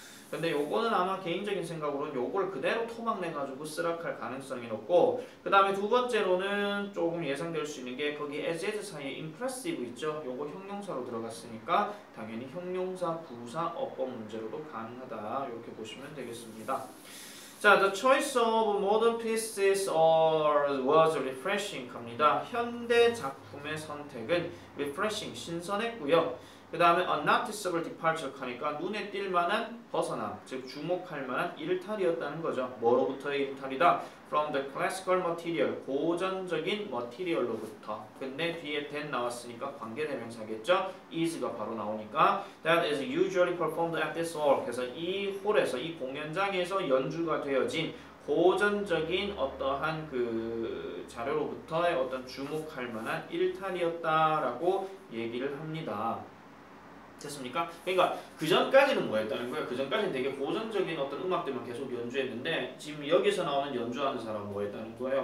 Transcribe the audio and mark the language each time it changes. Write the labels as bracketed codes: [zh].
[ko] 근데 요거는 아마 개인적인 생각으로는 요걸 그대로 토막내가지고 쓰락할 가능성이 높고, 그 다음에 두 번째로는 조금 예상될 수 있는 게 거기 as is 사이에 impressive 있죠? 요거 형용사로 들어갔으니까 당연히 형용사 부사 어법 문제로도 가능하다 이렇게 보시면 되겠습니다. [en] 자, the choice of modern pieces was refreshing [ko] 갑니다. 현대 작품의 선택은 [en] refreshing, [ko] 신선했고요. 그 다음에 [en] unnoticeable departure [ko] 하니까 눈에 띌만한 벗어남, 즉 주목할만한 일탈이었다는 거죠. 뭐로부터의 일탈이다? [en] From the classical material, [ko] 고전적인 material로부터. 근데 뒤에 then 나왔으니까 관계대명사겠죠? is가 바로 나오니까 [en] that is usually performed at this hall. [ko] 그래서 이 홀에서, 이 공연장에서 연주가 되어진 고전적인 어떠한 그 자료로부터의 어떤 주목할만한 일탈이었다라고 얘기를 합니다. 됐습니까? 그러니까 그 전까지는 뭐였다는 거야? 그 전까지는 되게 고전적인 어떤 음악들만 계속 연주했는데 지금 여기서 나오는 연주하는 사람 뭐였다는 거예요?